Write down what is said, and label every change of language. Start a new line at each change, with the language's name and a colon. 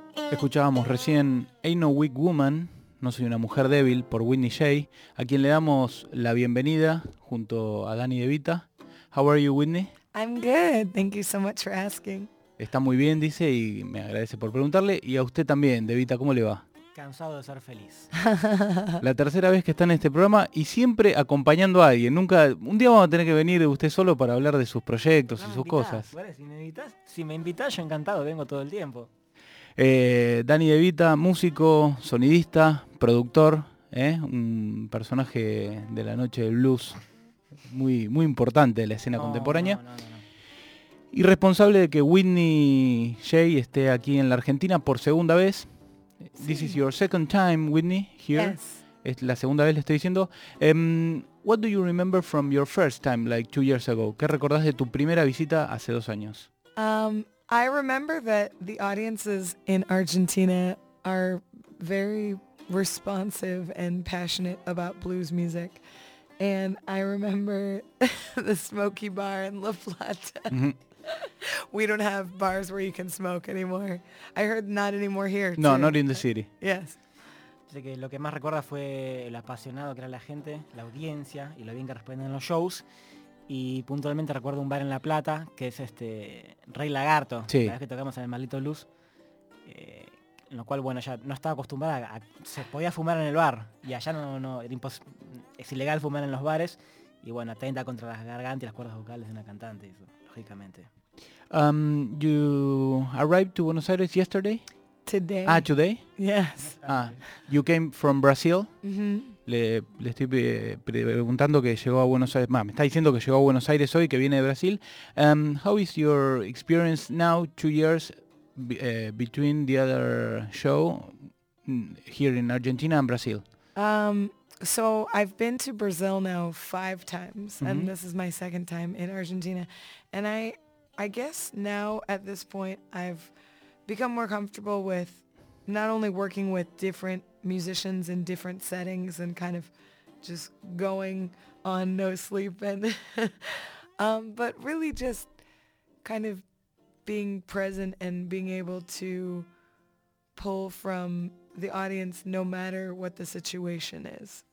Spanish: Escuchábamos recién Ain't No Weak Woman, No Soy Una Mujer Débil, por Whitney Jay, a quien le damos la bienvenida junto a Dani De Vita.
English: How are you, Whitney? I'm good, thank you so much for asking.
Spanish: Está muy bien, dice, y me agradece por preguntarle. Y a usted también, De Vita, ¿cómo le va? Cansado de ser feliz. La tercera vez que está en este programa y siempre acompañando a alguien. Nunca, un día vamos a tener que venir usted solo para hablar de sus proyectos y sus cosas. Si me invitás, yo encantado, vengo todo el tiempo. Dani De Vita, músico, sonidista, productor, un personaje de la noche del blues muy, muy importante de la escena contemporánea. Y responsable de que Whitney Jay esté aquí en la Argentina por segunda vez. Sí.
English: This is your second time, Whitney, here. Yes.
Spanish: Es la segunda vez, le estoy diciendo.
English: What do you remember from your first time, like 2 years ago?
Spanish: ¿Qué recordás de tu primera visita hace 2 años?
English: I remember that the audiences in Argentina are very responsive and passionate about blues music. And I remember the smoky bar in La Plata. Mm-hmm. We don't have bars where you can smoke anymore. I heard not anymore here. No, too. Not in the city. Yes.
Spanish: Así que lo que más recuerda fue el apasionado que era la gente, la audiencia y lo bien que responden en los shows. Y puntualmente recuerdo un bar en La Plata, que es Rey Lagarto, sí. La vez que tocamos en el Maldito Luz. en lo cual, bueno, ya no estaba acostumbrada, se podía fumar en el bar, y allá no era es ilegal fumar en los bares, y bueno, atenta contra las gargantas y las cuerdas vocales de una cantante, eso, lógicamente.
English: You arrived to Buenos Aires yesterday? Today. Ah, today? Yes. Ah, you came from Brazil? Mm-hmm.
Spanish: Le estoy preguntando que llegó a Buenos Aires. Me está diciendo que llegó a Buenos Aires hoy, que viene de Brasil.
English: How is your experience now, 2 years between the other show here in Argentina and Brazil? So I've been to Brazil now 5 times, mm-hmm. and this is my second time in Argentina. And I guess now at this point I've become more comfortable with not only working with different musicians in different settings and kind of just going on no sleep and but really just kind of being present and being able to pull from the audience no matter what the situation is.